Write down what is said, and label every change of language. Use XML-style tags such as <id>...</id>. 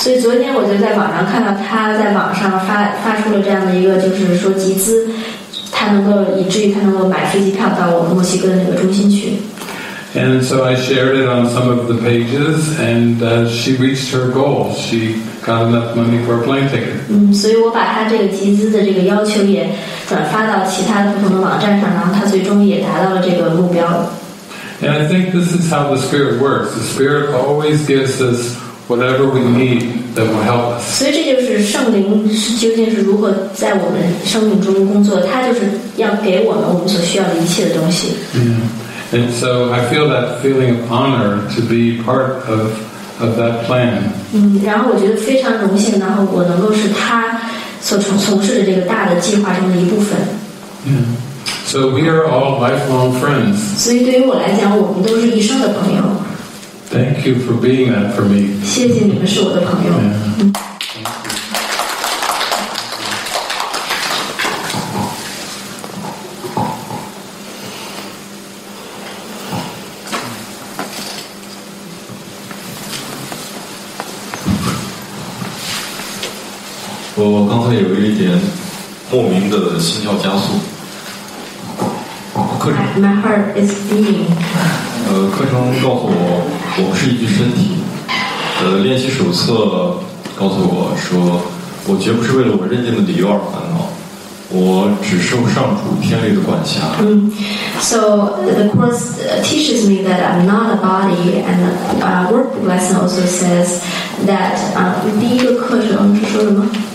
<zh>所以昨天我就在网上看到他在网上发出了这样的一个，就是说集资，他能够以至于他能够买飞机票到我们墨西哥的那个中心去。</zh> <en>And so I shared it on some of the pages, and she reached her goal. She got enough money for a plane ticket.</en> <zh>所以我把他这个集资的这个要求也转发到其他不同的网站上，然后他最终也达到了这个目标。</zh> <en>And I think this is how the Spirit works. The Spirit always gives us whatever we need that will help us.</en> <zh>所以这就是圣灵是究竟是如何在我们生命中工作，他就是要给我们我们所需要的一切的东西。</zh> <en>Yeah. And so I feel that feeling of honor to be part of that plan.</en> <zh>然后我觉得非常荣幸，然后我能够是他所从事的这个大的计划中的一部分。</zh> <en>So we are all lifelong friends.</en> <zh>所以对于我来讲，我们都是一生的朋友。</zh> <en>Thank you for being that for me.</en> <zh>谢谢你们是我的朋友。我刚才有一点莫名的心跳加速。</zh> <en>My heart is beating.</en> <zh>课程告诉我，我不是一具身体。练习手册告诉我说，我绝不是为了我认定的理由而烦恼，我只受上主天律的管辖。</zh> <en>So the course teaches me that I'm not a body, and the workbook lesson also says that</en> <zh>第一个课程是说什么？</zh>